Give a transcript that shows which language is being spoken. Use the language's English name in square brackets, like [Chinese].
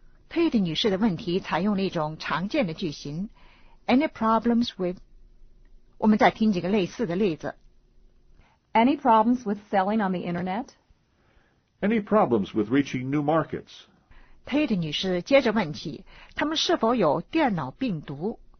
[Chinese] Tate 女士的问题采用了一种常见的句型 [English] Any problems with， [Chinese] 我们再听几个类似的例子。 [English] Any problems with selling on the internet? Any problems with reaching new markets? [Chinese] Tate 女士接着问起他们是否有电脑病毒。